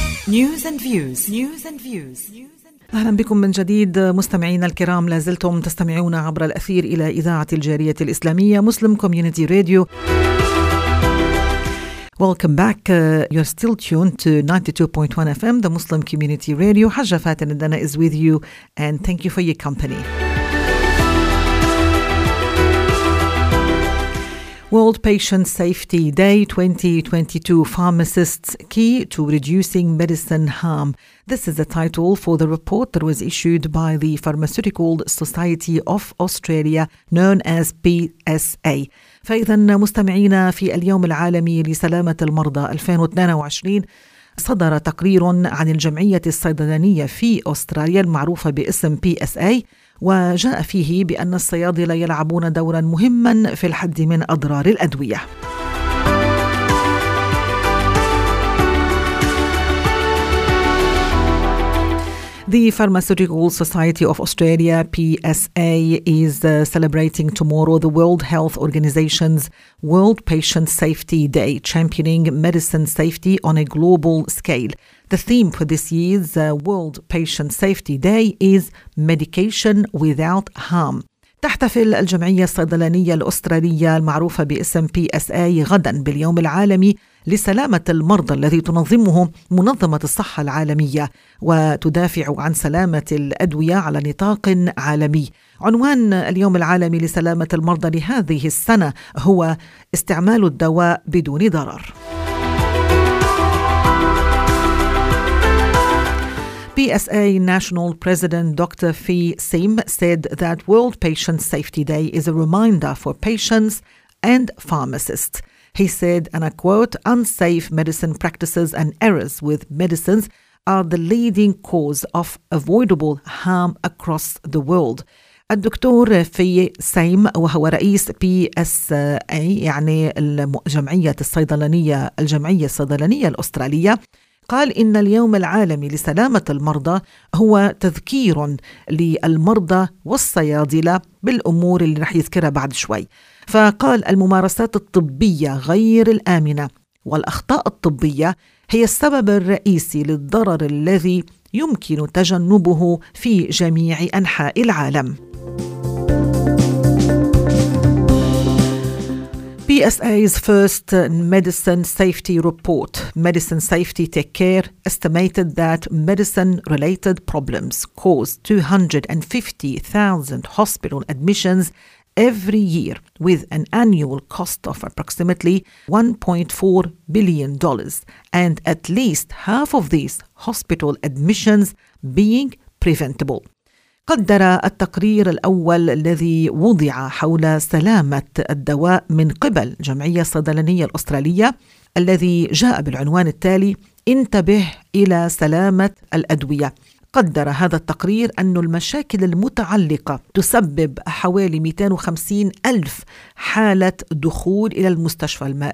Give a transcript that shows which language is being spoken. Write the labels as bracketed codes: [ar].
[en] News and views. News and views. [ar] أهلا بكم من جديد مستمعينا الكرام، لازلتم تستمعون عبر الأثير إلى إذاعة الجارية الإسلامية مسلم كوميونيتي راديو. [en] Welcome back. You're still tuned to 92.1 FM, the Muslim Community Radio. حجة فاتن الدنا is with you and thank you for your company. World Patient Safety Day 2022, Pharmacists Key to Reducing Medicine Harm. This is the title for the report that was issued by the Pharmaceutical Society of Australia, known as PSA. [ar] فإذن مستمعينا في اليوم العالمي لسلامة المرضى 2022 صدر تقرير عن الجمعية الصيدلانية في أستراليا المعروفة باسم PSA، وجاء فيه بأن الصيادلة يلعبون دورا مهما في الحد من أضرار الأدوية. [en] The Pharmaceutical Society of Australia, PSA, is celebrating tomorrow the World Health Organization's World Patient Safety Day, championing medicine safety on a global scale. The theme for this year's World Patient Safety Day is Medication Without Harm. [ar] تحتفل الجمعية الصيدلانية الأسترالية المعروفة باسم PSA غدا باليوم العالمي لسلامة المرضى الذي تنظمه منظمة الصحة العالمية وتدافع عن سلامة الأدوية على نطاق عالمي. عنوان اليوم العالمي لسلامة المرضى لهذه السنة هو استعمال الدواء بدون ضرر. [en] PSA National President Dr. Fi Sim said that World Patient Safety Day is a reminder for patients and pharmacists. He said, and I quote, unsafe medicine practices and errors with medicines are the leading cause of avoidable harm across the world. [ar] الدكتور في سيم وهو رئيس PSA يعني الجمعية الصيدلانية الأسترالية قال إن اليوم العالمي لسلامة المرضى هو تذكير للمرضى والصيادلة بالأمور اللي رح يذكرها بعد شوي. فقال الممارسات الطبية غير الآمنة والأخطاء الطبية هي السبب الرئيسي للضرر الذي يمكن تجنبه في جميع أنحاء العالم. [en] PSA's first medicine safety report, Medicine Safety Take Care, estimated that medicine-related problems cause 250,000 hospital admissions every year, with an annual cost of approximately $1.4 billion, and at least half of these hospital admissions being preventable. [ar] قدر التقرير الأول الذي وضع حول سلامة الدواء من قبل جمعية الصيدلانية الأسترالية الذي جاء بالعنوان التالي انتبه إلى سلامة الأدوية. قدر هذا التقرير أن المشاكل المتعلقة تسبب حوالي 250 ألف حالة دخول إلى المستشفى.